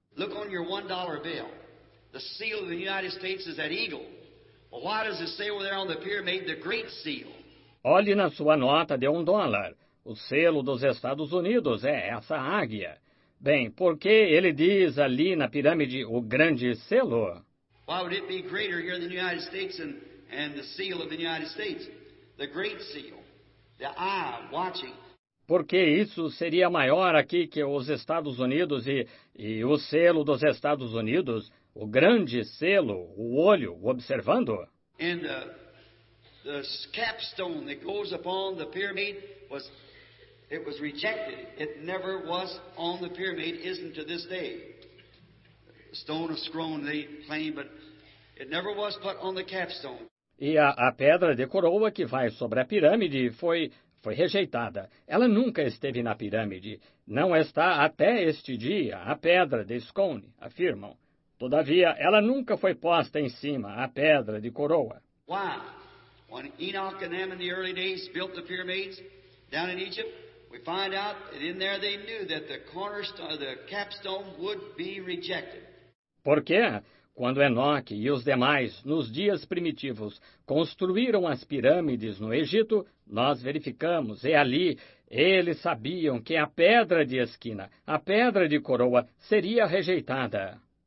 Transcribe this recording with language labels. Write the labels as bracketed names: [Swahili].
[English] Look on your $1 bill. The seal of the United States is that eagle. Well, why does it say over there on the pyramid the great seal? [Portuguese] Olhe na sua nota de $1. O selo dos Estados Unidos é essa águia. Bem, por que ele diz ali na pirâmide o grande selo? [English] Why would it be greater here in the United States and the seal of the United States? The great seal. The eye watching. [Portuguese] Porque isso seria maior aqui que os Estados Unidos e o selo dos Estados Unidos, o grande selo, o olho, o observando. [English] And the capstone that goes upon the pyramid was, it was rejected. It never was on the pyramid, isn't to this day. Stone of scroll, they claim, but it never was put on the capstone. [Portuguese] E a pedra de coroa que vai sobre a pirâmide foi rejeitada. Ela nunca esteve na pirâmide. Não está até este dia, a pedra de Scone, afirmam. Todavia, ela nunca foi posta em cima, a pedra de coroa. [English] Why? When Enoch and Ammon in the early days built the pyramids down in Egypt, we find out that in there they knew that the cornerstone, the capstone would be rejected. [Portuguese] Por quê? Quando Enoque e os demais, nos dias primitivos, construíram as pirâmides no Egito, nós verificamos, e ali eles sabiam que a pedra de esquina, a pedra de coroa, seria rejeitada.